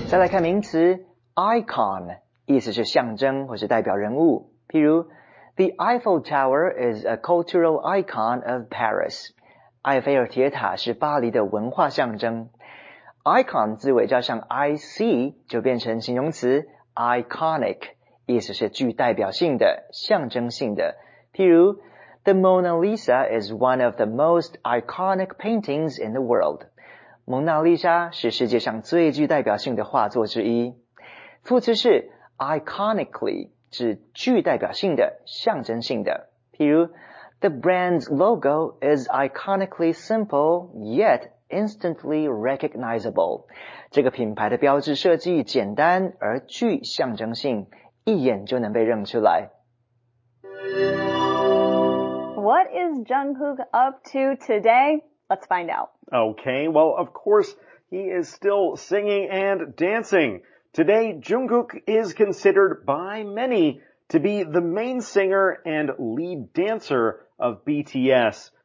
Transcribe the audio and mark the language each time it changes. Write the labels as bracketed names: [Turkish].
[English] Icon, [Chinese] 意思是象征或是代表人物, 譬如, [English] the Eiffel Tower is a cultural icon of Paris. [Chinese] 埃菲尔铁塔是巴黎的文化象征。 Icon 字尾加上 IC 就变成形容词 iconic， 意思是具代表性的、象征性的。譬如 ， [English] The Mona Lisa is one of the most iconic paintings in the world. [Chinese] 蒙娜丽莎是世界上最具代表性的画作之一。副词是 iconically， 指具代表性的、象征性的。譬如 ， [English] The brand's logo is iconically simple yet instantly recognizable. [Chinese] 这个品牌的标志设计简单而具象征性，一眼就能被认出来。What [English] is Jungkook up to today? Let's find out. Okay, well, of course, he is still singing and dancing. Today, Jungkook is considered by many to be the main singer and lead dancer of BTS.